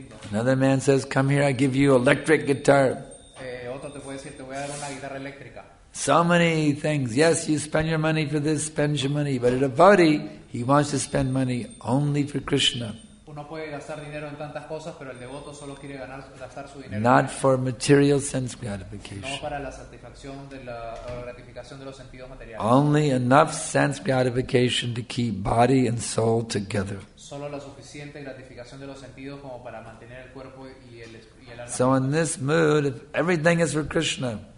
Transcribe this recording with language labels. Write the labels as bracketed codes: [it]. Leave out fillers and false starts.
[en] Another man says, come here, I give you electric guitar. [es] Otro te puede decir, te voy a dar una guitarra eléctrica. [en] So many things. Yes, you spend your money for this, spend your money. But a devotee, he wants to spend money only for Krishna. [es] Uno puede gastar dinero en tantas cosas, pero el devoto solo quiere gastar su dinero. [en] Not for material sense gratification. [es] No para la satisfacción de la gratificación de los sentidos materiales. [en] Only enough sense gratification to keep body and soul together. [es] Solo la suficiente gratificación de los sentidos como para mantener el cuerpo y el alma. [en] So in this mood, if everything is for Krishna.